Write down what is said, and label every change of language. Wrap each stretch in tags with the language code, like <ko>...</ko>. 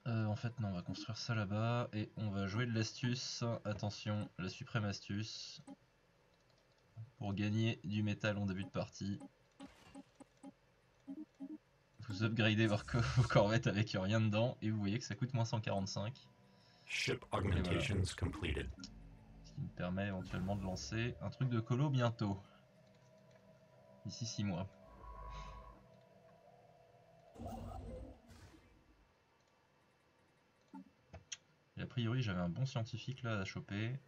<fr>En fait, non, on va construire ça là-bas et on va jouer de l'astuce. Attention, la suprême astuce. Pour gagner du métal en début de partie. Vous upgradez vos corvettes avec rien dedans et vous voyez que ça coûte moins 145.</fr> <en>Ship augmentations completed.</en> <fr>Ce qui me permet éventuellement de lancer un truc de colo bientôt. D'ici 6 mois. Et a priori, j'avais un bon scientifique là à choper.</fr>